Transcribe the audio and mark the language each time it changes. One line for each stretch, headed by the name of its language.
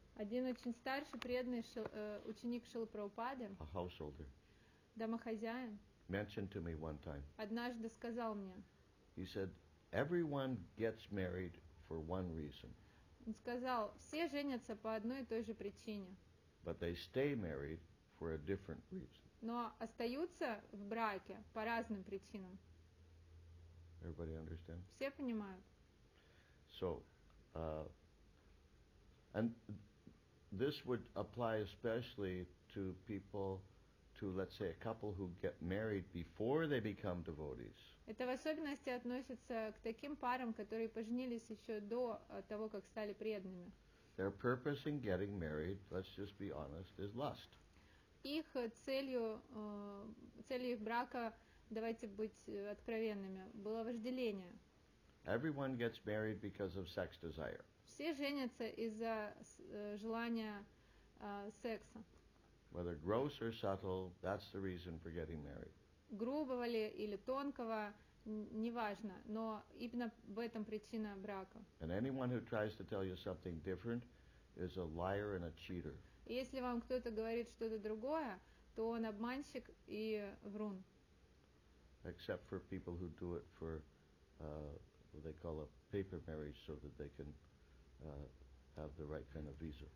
Russian: Один очень старший преданный ученик Шрилы Прабхупады.
English: A householder.
Russian: Домохозяин.
English: Mentioned to me one time.
Russian: Однажды сказал мне.
English: He said, everyone gets married for one reason.
Russian: Он сказал, все женятся по одной и той же причине.
English: But they stay married for a different reason.
Russian: Но остаются в браке по разным причинам.
English: Everybody understand?
Russian: Все понимают.
English: So, and this would apply especially to people, to, let's say, a couple who get married before they become devotees.
Russian: Это в особенности относится к таким парам, которые поженились еще до того, как стали преданными.
English: Their purpose in getting married, let's just be honest, is lust.
Russian: Их целью их брака, давайте быть откровенными, было вожделение.
English: Everyone gets married because of sex desire.
Russian: Все женятся из-за желания секса.
English: Whether gross or subtle, that's the reason for getting married.
Russian: Грубого ли или тонкого, неважно, но именно в этом причина брака.
English: And anyone who tries to tell you something different is a liar and a cheater.
Russian: Если вам кто-то говорит что-то другое, то он обманщик и врун.
English: Except for people who do it for what they call a paper marriage so that they can have the right kind of visa.